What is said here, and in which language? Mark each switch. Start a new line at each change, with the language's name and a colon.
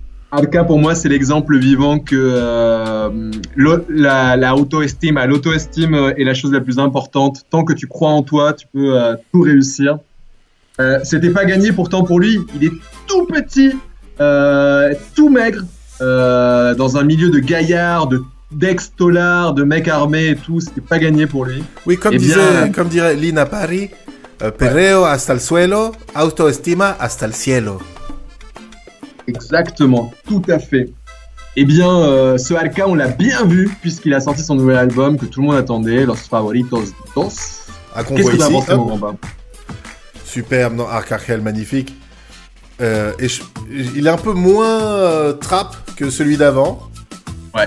French: Arca, pour moi, c'est l'exemple vivant que l'auto-estime est la chose la plus importante. Tant que tu crois en toi, tu peux tout réussir. C'était pas gagné pourtant pour lui. Il est tout petit, tout maigre, dans un milieu de gaillards, d'ex-tolards, de mecs armés et tout. C'était pas gagné pour lui. Oui, comme dirait Lina Paris,
Spanish: perreo hasta el suelo, autoestima hasta el cielo.
French: Exactement, tout à fait. Eh bien, ce Arca, on l'a bien vu puisqu'il a sorti son nouvel album que tout le monde attendait, Los Favoritos Dos. À qu'on voit ici. Superbe, non, Arcángel, magnifique. Il est un peu moins trap que celui d'avant. Ouais.